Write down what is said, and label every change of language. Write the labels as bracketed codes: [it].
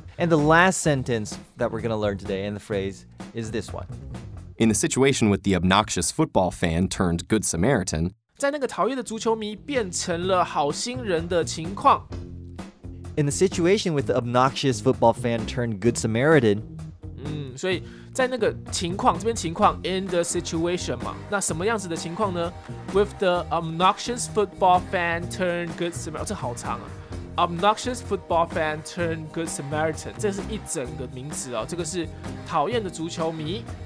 [en] And the last sentence that we're going to learn today and the phrase is this one. In the situation with the obnoxious football fan turned good Samaritan, [zh] 在那个讨厌的足球迷变成了好心人的情况。 [en] In the situation with the obnoxious football fan turned good Samaritan, [zh] 所以在那个情况这边情况 [en] in the situation [zh] 嘛那什么样子的情况呢 [en] with the obnoxious football fan turned good Samaritan [zh] 这好长啊 [en] obnoxious football fan turned good Samaritan [zh] 这是一整个名词哦这个是讨厌的足球迷